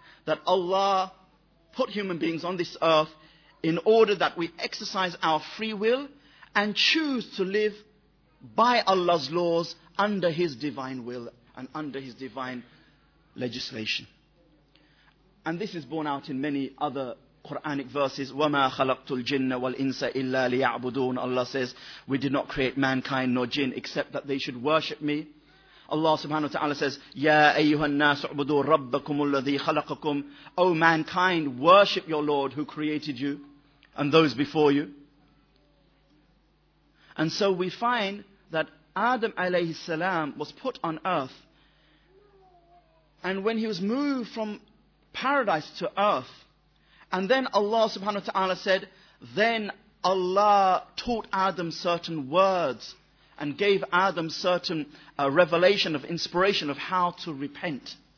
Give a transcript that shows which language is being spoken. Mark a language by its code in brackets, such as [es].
[en] That Allah put human beings on this earth in order that we exercise our free will and choose to live by Allah's laws under His divine will and under His divine legislation. And this is borne out in many other Quranic verses. [ar] وَمَا خَلَقْتُ الْجِنَّ وَالْإِنسَ إِلَّا لِيَعْبُدُونَ. [en] Allah says, we did not create mankind nor jinn except that they should worship me. Allah subhanahu wa ta'ala says, [ar] يَا أَيُّهَا النَّاسُ اعْبُدُوا رَبَّكُمُ الَّذِي خَلَقَكُمْ. [en] O mankind, worship your Lord who created you and those before you. And so we find that Adam alayhi salam was put on earth, and when he was moved from paradise to earth, and then Allah subhanahu wa ta'ala said, then Allah taught Adam certain words and gave Adam certain revelation of inspiration of how to repent.